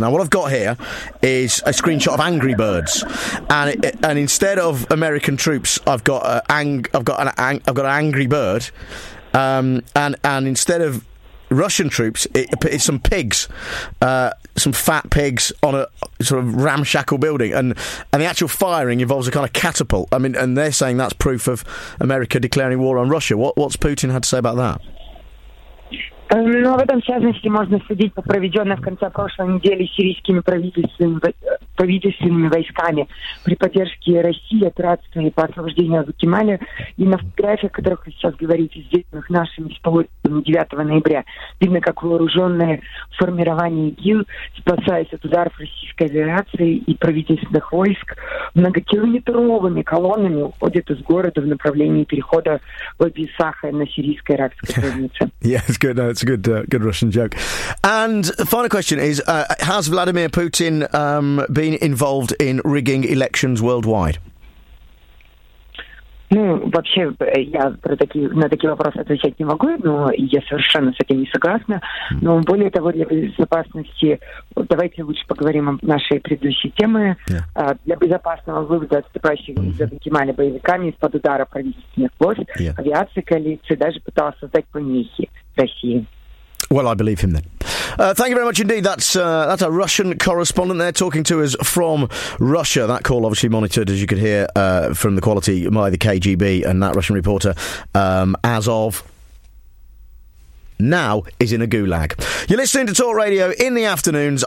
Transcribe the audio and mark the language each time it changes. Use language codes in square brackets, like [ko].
[en] Now, what I've got here is a screenshot of Angry Birds, and and instead of American troops, I've got an angry bird, and instead of Russian troops, it's some pigs, some fat pigs on a sort of ramshackle building, and the actual firing involves a kind of catapult. I mean, and they're saying that's proof of America declaring war on Russia. What's Putin had to say about that? [ru] Ну, об этом, в частности, можно судить по проведенной в конце прошлой недели сирийскими правительственными войсками при поддержке России операциями по освобождению Гватемали. И на фотографиях, о которых вы сейчас говорите, сделанных нашими с 9 ноября, видно, как вооруженные формирования ИГИЛ, спасаясь от ударов российской авиации и правительственных войск, многокилометровыми колоннами уходят из города в направлении перехода в Абисахе на сирийской иракской границе. [en] Yes, good night. It's a good Russian joke. And the final question is, has Vladimir Putin been involved in rigging elections worldwide? [ru] Ну, вообще, я на такие вопросы отвечать не могу, но я совершенно с этим не согласна. Но более того, для безопасности, давайте лучше поговорим о нашей предыдущей теме. [en] Yeah. [ru] Для безопасного вывода отступающих за Гватемалы боевиками из-под удара правительственных войск, авиации коалиции даже пыталась создать помехи России. [en] Well, I believe him then. Thank you very much indeed. That's a Russian correspondent there talking to us from Russia. That call obviously monitored, as you could hear from the quality, by the KGB, and that Russian reporter, as of now, is in a gulag. You're listening to Talk Radio in the afternoons.